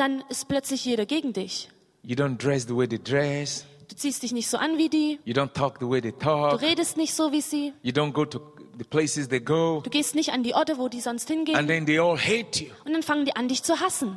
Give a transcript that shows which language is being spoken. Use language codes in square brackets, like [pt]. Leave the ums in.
[de] dann ist plötzlich jeder gegen dich. [en] The [de] du ziehst dich nicht so an wie die. [en] The [de] du redest nicht so wie sie. [en] You don't go to the places they go. [de] Du gehst nicht an die Orte, wo die sonst hingehen. [en] And then they all hate you. [de] Und dann fangen die an, dich zu hassen.